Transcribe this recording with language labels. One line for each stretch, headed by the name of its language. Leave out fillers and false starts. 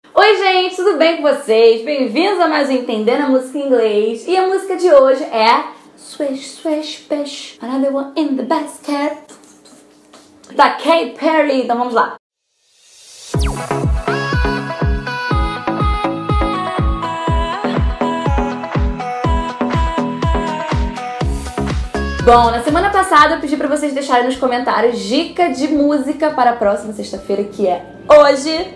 Portuguese: Oi, gente, tudo bem com vocês? Bem-vindos a mais um Entendendo a Música em Inglês. E a música de hoje é...
English: Swish, swish, swish, another one in the basket.
Portuguese: Da Katy Perry, então vamos lá. Bom, na semana passada eu pedi pra vocês deixarem nos comentários dica de música para a próxima sexta-feira, que é hoje.